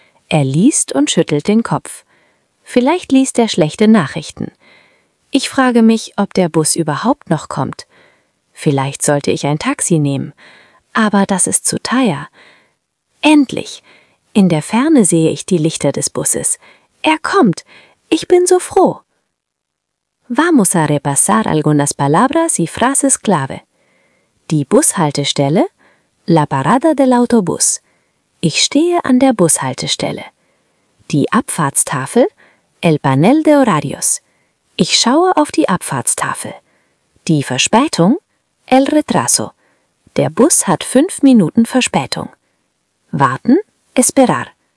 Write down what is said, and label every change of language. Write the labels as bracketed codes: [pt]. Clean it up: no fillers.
[de] Er liest und schüttelt den Kopf. Vielleicht liest er schlechte Nachrichten. Ich frage mich, ob der Bus überhaupt noch kommt. Vielleicht sollte ich ein Taxi nehmen, aber das ist zu teuer. Endlich! In der Ferne sehe ich die Lichter des Busses. Er kommt! Ich bin so froh! [es] Vamos a repasar algunas palabras y frases clave. [de] Die Bushaltestelle, [es] la parada del autobús. [de] Ich stehe an der Bushaltestelle. Die Abfahrtstafel, [es] el panel de horarios. [de] Ich schaue auf die Abfahrtstafel. Die Verspätung, [es] el retraso. [de] Der Bus hat 5 Minuten Verspätung. Warten, [es] esperar.